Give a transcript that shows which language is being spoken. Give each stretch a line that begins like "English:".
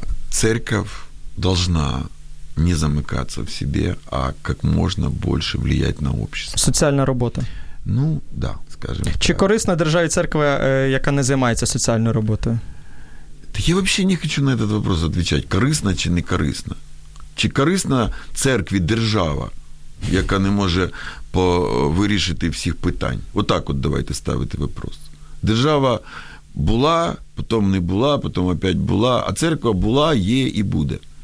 Russian: Церковь должна не замыкаться в себе, а как можно больше влиять на общество.
Ukrainian: Соціальна робота.
Russian: Ну, да, скажем.
Ukrainian: Чи корисна державі церква, яка не займається соціальною роботою?
Russian: Та я вообще не хочу на этот вопрос отвечать,
Ukrainian: корисна чи не корисна. Чи корисна церкві держава, яка не може вирішити всіх питань? Ось так от давайте ставити вопрос. Держава була, потім не була, потім опять була, а церква була, є і буде.